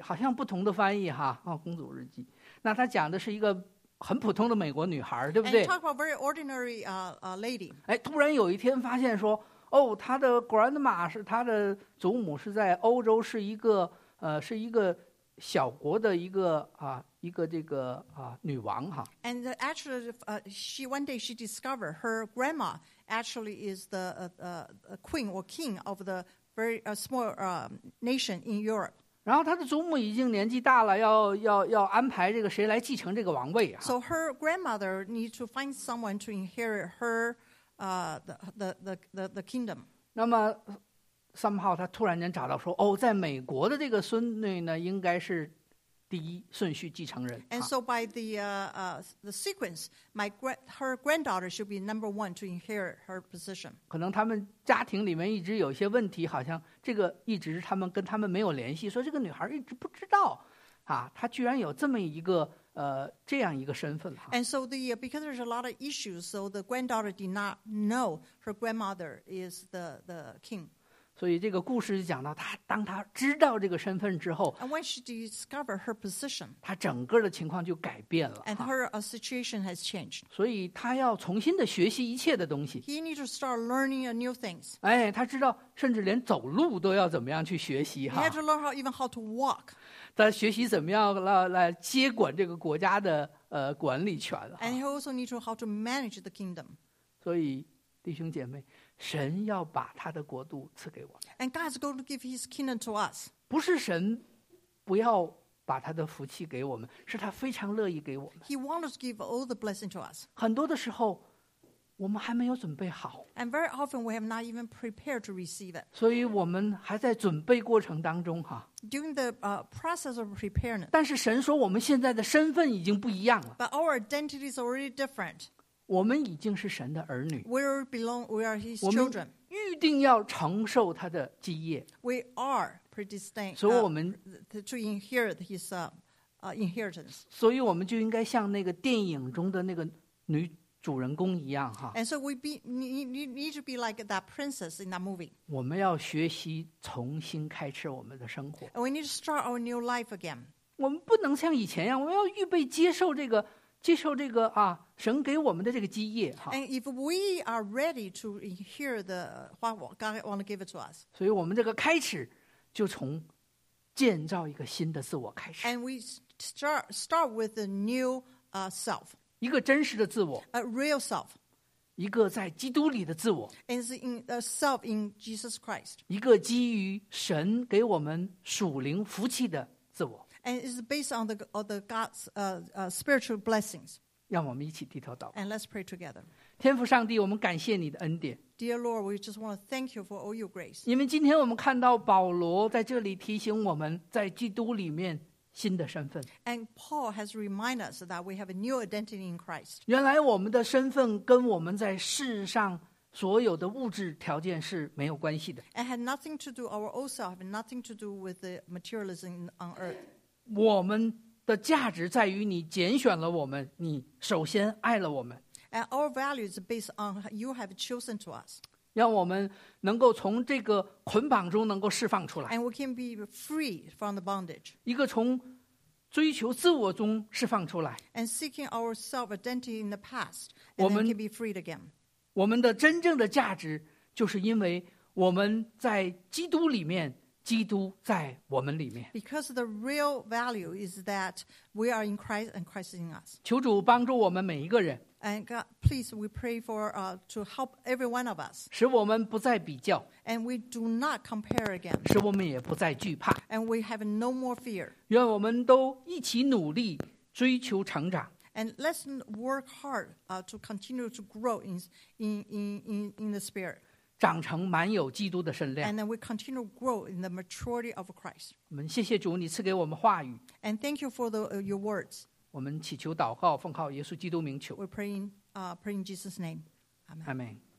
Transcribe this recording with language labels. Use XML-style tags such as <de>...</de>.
<zh>好像不同的翻译哈、哦、公主日记，那他讲的是一个很普通的美国女孩，对不对？</zh> <en>And talk about very ordinary lady.</en> <zh>哎，突然有一天发现说，哦，她的 grandma 是她的祖母是在欧洲，是一个是一个小国的一个一个这个女王哈。</zh> <en>And actually, one day she discovered her grandma actually is the queen or king of the very small nation in Europe.</en> <zh>然后他的祖母已经年纪大了，要安排这个谁来继承这个王位、啊、</zh> <en>So her grandmother needs to find someone to inherit her the kingdom.</en> <zh>那么 somehow 他突然间找到说，哦，在美国的这个孙女呢，应该是第一顺序继承人。</zh> <en>And so by the sequence, her granddaughter should be number one to inherit her position.</en> <zh>可能他们家庭里面一直有些问题，好像这个一直是他们跟他们没有联系，说这个女孩一直不知道，啊，她居然有这么一个这样一个身份。</zh> <en>And so because there's a lot of issues, so the granddaughter did not know her grandmother is the king.</en> <zh>所以这个故事讲到当他知道这个身份之后</zh> <en>And when she discovered her position,</en> <zh>他整个的情况就改变了</zh> <en>And her situation has changed.</en> <zh>所以他要重新的学习一切的东西</zh> <en>He needs to start learning new things.</en> <zh>哎，他知道甚至连走路都要怎么样去学习</zh> <en>He had to learn how to walk.</en> <zh>他学习怎么样 来接管这个国家的管理权</zh> <en>And he also needs to how to manage the kingdom.</en> <zh>所以弟兄姐妹神要把他的国度赐给我们。</zh> <en>And God's going to give his kingdom to us.</en> <zh>不是神不要把他的福气给我们，是他非常乐意给我们。</zh> <en>He wants to give all the blessing to us.</en> <zh>很多的时候我们还没有准备好。</zh> <en>And very often we have not even prepared to receive it.</en> <zh>所以我们还在准备过程当中哈。</zh> <en>During the process of preparing.</en> <zh>但是神说我们现在的身份已经不一样了。</zh> <en>But our identity is already different.</en> <zh>我们已经是神的儿女</zh> <en>we belong, we are his children.</en> <zh>我们预定要承受他的基业</zh> <en>we are predestined,</en> <zh>所以我们</zh> <en>to inherit his inheritance</en> <zh>所以我们就应该像那个电影中的那个女主人公一样哈</zh> <en>and so we need to be like that princess in that movie</en> <zh>我们要学习重新开始我们的生活</zh> <en>and we need to start our new life again</en> <zh>我们不能像以前一样我们要预备接受这个啊神给我们的这个基业</zh> <en>And if we are ready to hear the what God want to give it to us.</en> <zh>所以我们这个开始就从建造一个新的自我开始。</zh> <en>And we start with a new self.</en> <zh>一个真实的自我。</zh> <en>A real self.</en> <zh>一个在基督里的自我。</zh> <en>And it's in a self in Jesus Christ.</en> <zh>一个基于神给我们属灵福气的自我。</zh> <en>And it's based on the God's spiritual blessings.</en> <zh>让我们一起低头祷告。</zh> <en>And let's pray together.</en> <zh>天父上帝，我们感谢你的恩典。</zh> <en>Dear Lord, we just want to thank you for all your grace.</en> <zh>因为今天我们看到保罗在这里提醒我们在基督里面新的身份。</zh> <en>And Paul has reminded us that we have a new identity in Christ.</en> <zh>原来我们的身份跟我们在世上所有的物质条件是没有关系的。</zh> <en>And had nothing to do our old self, had nothing to do with the materialism on earth.</en> <zh>我们的价值在于你拣选了我们，你首先爱了我们。</zh> <en>And our value is based on you have chosen to us.</en> <zh>让我们能够从这个捆绑中能够释放出来。</zh> <en>And we can be free from the bondage.</en> <zh>一个从追求自我中释放出来。</zh> <en>And seeking our self-identity in the past, and then can be freed again.</en> <zh>我们的真正的价值就是因为我们在基督里面基督在我们里面</zh> <en>Because the real value is that we are in Christ and Christ is in us.</en> <zh>求主帮助我们每一个人</zh> <en>And God, please we pray for to help every one of us.</en> <zh>使我们不再比较</zh> <en>And we do not compare again.</en> <zh>使我们也不再惧怕</zh> <en>And we have no more fear.</en> <zh>愿我们都一起努力追求成长</zh> <en>And let's work hard to continue to grow in the spirit.</en> <zh>长成满有基督的身量。</zh> <en>And then we continue to grow in the maturity of Christ.</en> <zh>我们谢谢主，你赐给我们话语。</zh> <en>And thank you for your words.</en> <zh>我们祈求祷告，奉靠耶稣基督名求。</zh> <en>We pray in Jesus' name. Amen. Amen.</en>